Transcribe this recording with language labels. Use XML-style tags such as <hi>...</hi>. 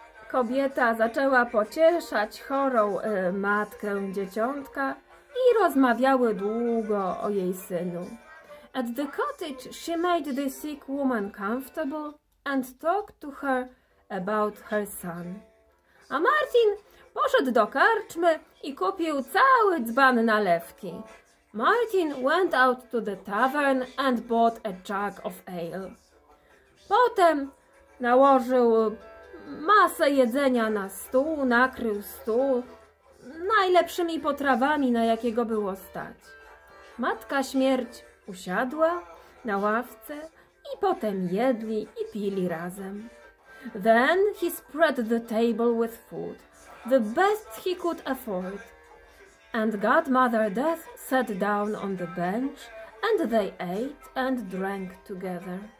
<pl>Kobieta zaczęła pocieszać chorą matkę dzieciątka i rozmawiały długo o jej synu.</pl> <en>At the cottage she made the sick woman comfortable and talked to her about her son.</en> <pl>A Martin poszedł do karczmy i kupił cały dzban nalewki.</pl> <en>Martin went out to the tavern and bought a jug of ale.</en> <pl>Potem nałożył masę jedzenia na stół, nakrył stół najlepszymi potrawami, na jakiego było stać. Matka Śmierć usiadła na ławce i potem jedli i pili razem.</pl> <en>Then he spread the table with food, the best he could afford. And Godmother Death sat down on the bench and they ate and drank together.</en>